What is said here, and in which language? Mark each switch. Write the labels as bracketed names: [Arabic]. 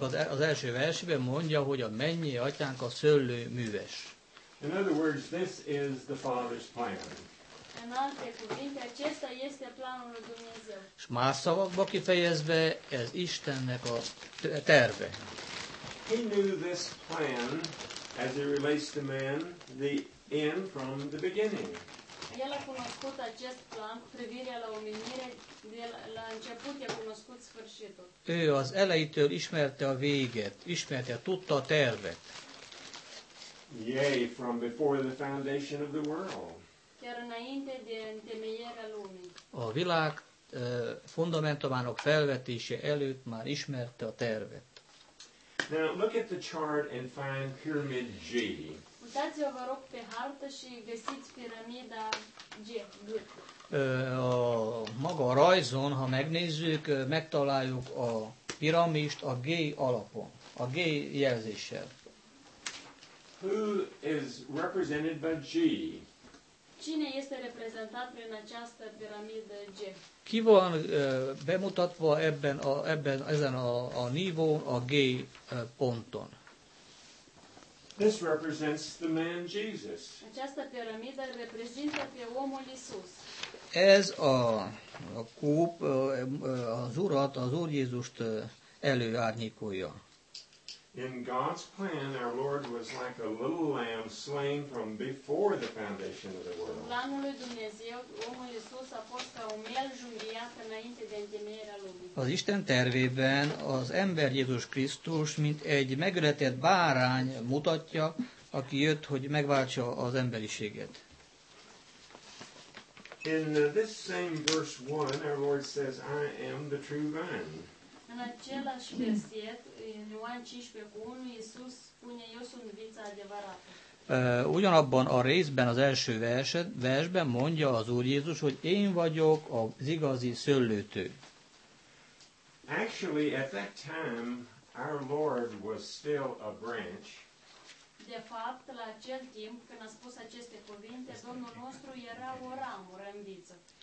[Hungarian] Az első versében mondja, hogy a mennyi atyánk a szőlő műves. [English] In other words, this is the Father's plan. [Romanian] În alte cuvinte, acesta este planul lui Dumnezeu. [Hungarian] S más szavakba kifejezve, ez Istennek a terve. [English] He knew this plan as it relates to man, the end from the beginning. [Romanian] El a cunoscut acest plan cu privire la omenire de la început, a cunoscut sfârșitul. [Hungarian] Ő az elejétől ismerte a véget, ismerte, tudta a tervet. [English] Yea, from before the foundation of the world. [Romanian] Chiar înainte de întemeierea lumii. [Hungarian] A világ fundamentumának felvetése előtt már ismerte a tervet. [English] Now look at the chart and find pyramid G. [Romanian] Uitați-vă, vă rog, pe hartă și găsiți piramida G. [Hungarian] A maga rajzon, ha megnézzük, megtaláljuk a piramist a G alapon, a G jelzéssel. [English] Who is represented by G? [Romanian] Cine este reprezentat prin această piramidă G? [Hungarian] Ki van bemutatva ebben a, ebben ezen a nívón, a G ponton? [English] This represents the man Jesus. [Romanian] Această piramidă reprezintă pe omul Isus. [Hungarian] Ez a kúp az urat, az Úr Jézust előárnyékolja. [English] In God's plan, our Lord was like a little lamb slain from before the foundation of the world. [Romanian] Planul lui Dumnezeu, omul Iisus a fost ca un miel junghiat înainte de întemeierea lumii. [Hungarian] Az Isten tervében az ember Jézus Krisztus, mint egy megületett bárány mutatja, aki jött, hogy megváltsa az emberiséget. [English] In this same verse 1, our Lord says, I am the true vine. [Romanian] În același verset, în Ioan 15:1, Iisus spune, eu sunt vița adevărată. [Hungarian] Ugyanabban a részben, az első versben mondja az Úr Jézus, hogy én vagyok az igazi szőlőtő. [English] Actually, at that time, our Lord was still a branch. [Romanian] De fapt, la acel timp, când a spus aceste cuvinte, Domnul nostru era o ramură în viță.